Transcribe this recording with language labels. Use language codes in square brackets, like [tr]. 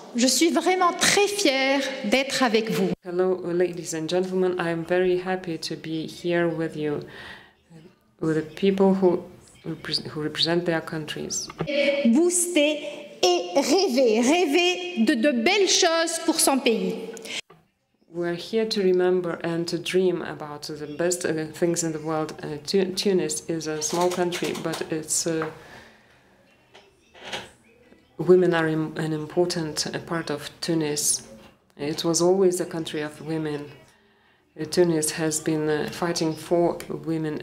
[fr] Je suis vraiment très fière d'être avec vous. [en] Hello, ladies and gentlemen. I am very happy to be here with you, with the people who represent their countries. [fr] Booster et rêver de belles choses pour son pays. [en] We're here to remember and to dream about the best things in the world. Tunis is a small country, but it's women are an important part of Tunis. It was always a country of women. Tunis has been fighting for women.